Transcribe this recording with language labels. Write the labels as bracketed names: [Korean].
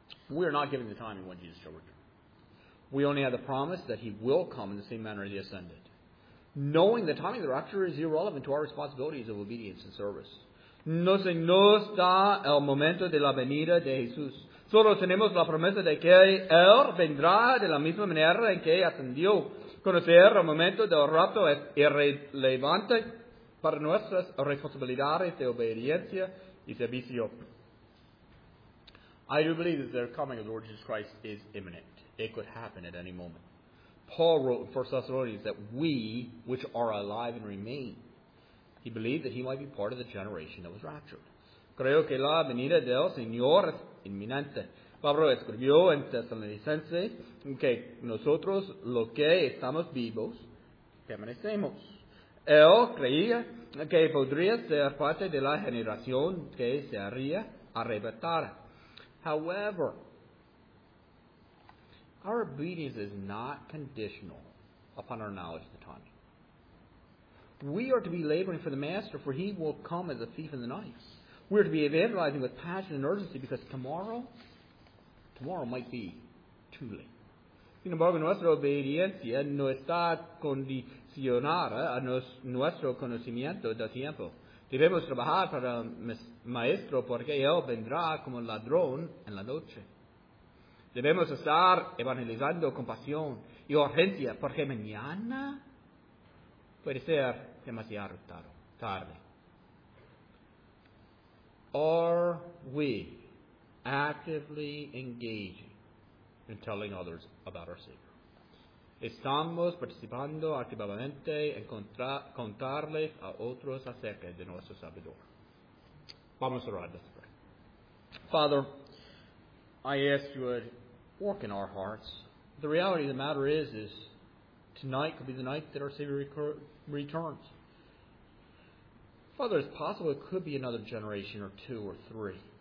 [English] We are not given the timing when Jesus shall return. We only have the promise that he will come in the same manner as he ascended. Knowing the timing of the rapture is irrelevant to our responsibilities of obedience and service. [Spanish] No se nos da el momento de la venida de Jesús. Solo tenemos la promesa de que él vendrá de la misma manera en que ascendió. Conocer el momento del rapto es irrelevante para nuestras responsabilidades de obediencia y servicio. [English] I do believe that the coming of the Lord Jesus Christ is imminent. It could happen at any moment. Paul wrote in 1 Thessalonians that we, which are alive and remain, he believed that he might be part of the generation that was raptured. [Spanish] Creo que la venida del Señor es inminente. Pablo escribió en Tesalonicense que nosotros, lo que estamos vivos, permanecemos. Él creía que podría ser parte de la generación que se haría arrebatada. [English] However, our obedience is not conditional upon our knowledge of the timing. We are to be laboring for the Master, for he will come as a thief in the night. We are to be evangelizing with passion and urgency, because tomorrow might be too late. [Spanish] Sin embargo, nuestra obediencia no está condicionada a nuestro conocimiento del tiempo. Debemos trabajar para el Maestro, porque él vendrá como ladrón en la noche. Debemos estar evangelizando con pasión y urgencia, porque mañana puede ser demasiado tarde. [English] Are we actively engaging in telling others about our Savior? [Spanish] Estamos participando activamente en contarles a otros acerca de nuestro Salvador. Vamos a orar. [English] Let's pray. Father, I ask you to work in our hearts. The reality of the matter is tonight could be the night that our Savior returns. Father, it's possible it could be another generation or two or three.